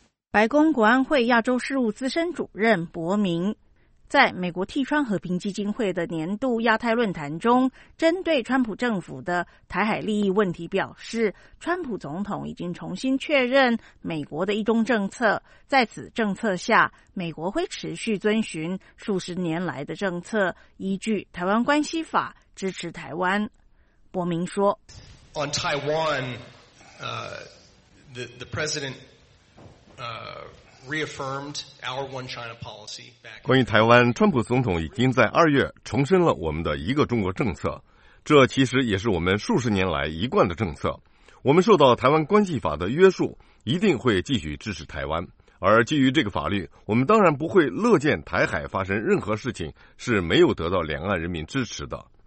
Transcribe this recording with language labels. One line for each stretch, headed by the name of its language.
Chinese: 白宫国安会亚洲事务资深主任伯明在美国替川和平基金会的年度亚太论坛中，针对川普政府的台海利益问题表示，川普总统已经重新确认美国的一中政策，在此政策下，美国会持续遵循数十年来的政策，依据台湾关系法支持台湾。伯明说
English: On Taiwan, the president, reaffirmed our one China policy.
Chinese: 关于台湾，川普总统已经在二月重申了我们的一个中国政策，这其实也是我们数十年来一贯的政策。我们受到台湾关系法的约束，一定会继续支持台湾。而基于这个法律，我们当然不会乐见台海发生任何事情是没有得到两岸人民支持的。